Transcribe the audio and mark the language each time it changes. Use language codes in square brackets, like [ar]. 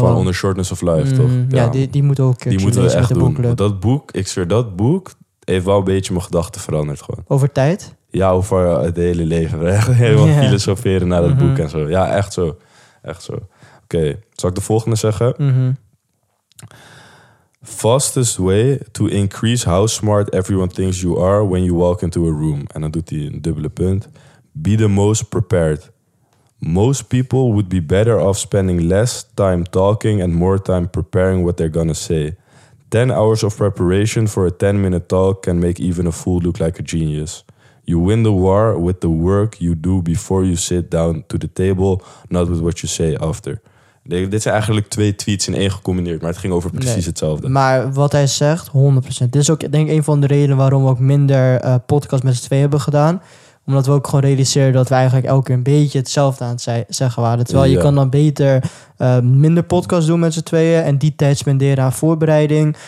[nl] van onder shortness of life, toch? Ja, ja, die moet ook die moeten we echt doen. Dat boek, ik zweer, dat boek heeft wel een beetje mijn gedachten veranderd gewoon. Over tijd? Ja, over het hele leven. Helemaal filosoferen naar dat boek en zo. Ja, echt zo. Echt zo. Oké, zal ik de volgende zeggen? Mm-hmm. [en] Fastest way to increase how smart everyone thinks you are when you walk into a room. [nl] En dan doet hij een dubbele punt. [en] Be the most prepared. Most people would be better off spending less time talking and more time preparing what they're gonna say. 10 hours of preparation for a 10-minute talk can make even a fool look like a genius. You win the war with the work you do before you sit down to the table, not with what you say after. [nl] Dit zijn eigenlijk 2 tweets in 1 gecombineerd, maar het ging over precies hetzelfde. Maar wat hij zegt, 100%. Dit is ook, denk ik, een van de redenen waarom we ook minder podcasts met z'n 2 hebben gedaan. Omdat we ook gewoon realiseren dat we eigenlijk elke keer een beetje hetzelfde aan het zeggen waren. Terwijl je kan dan beter minder podcast doen met z'n 2 en die tijd spenderen aan voorbereiding.